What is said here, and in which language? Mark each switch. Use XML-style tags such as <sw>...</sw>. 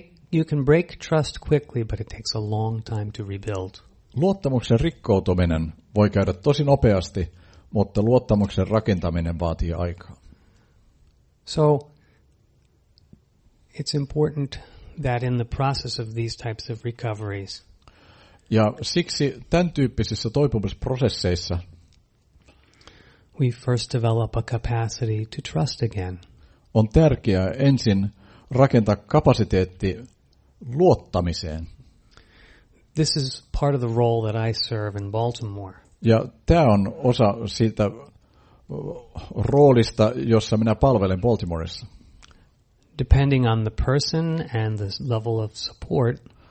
<en>You can break trust quickly, but it takes a long time to rebuild.</en> <fi>Luottamuksen rikkoutuminen voi käydä tosi nopeasti, mutta luottamuksen rakentaminen vaatii aikaa.</fi> <en>So it's important that in the process of these types of recoveries.</en> <fi>Ja siksi tämän tyyppisissä toipumisprosesseissa</fi> <en>we first develop a capacity to trust again.</en> <fi>On tärkeää ensin rakentaa kapasiteetti luottamiseen.</fi> <en>This is part of the role that I serve in Baltimore.</en> <fi>Ja tämä on osa siitä roolista, jossa minä palvelen Baltimoressa.</fi> <en>Depending on the person and the level of support.</en>